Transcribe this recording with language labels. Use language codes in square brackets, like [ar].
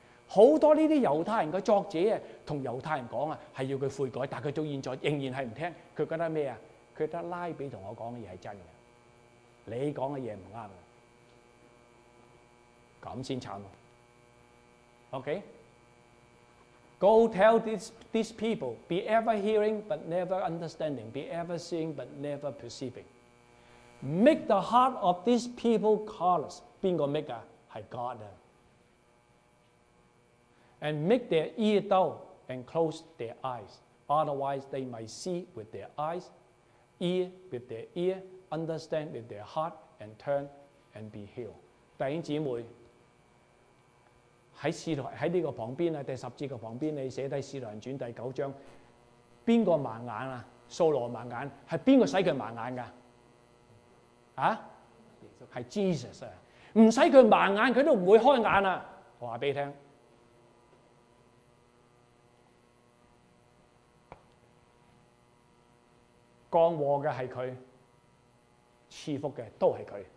[zh] 很多这些犹太人的作者跟犹太人说是要他悔改，但他到现在仍然是不听，他觉得什么？覺得拉比跟我說的是真的，你說的是不對的，這樣才慘。 [en] OK? Go tell these people, be ever hearing but never understanding, be ever seeing but never perceiving. Make the heart of these people callous. [zh] 誰 [en] make [zh] 的？是 [en] God。 And make their ear dull and close their eyes, otherwise they might see with their eyesEar with their ear, understand with their heart, and turn and be healed. [zh] 弟兄姊妹，在这个旁边，第十节的旁边，你写下《使徒行传》第九章，谁个盲眼啊？扫罗盲眼，是谁个使他盲眼的？啊？是 Jesus 啊！不使他盲眼，他都不会开眼啊！我告诉你，降祸的是他，赐福的都是他。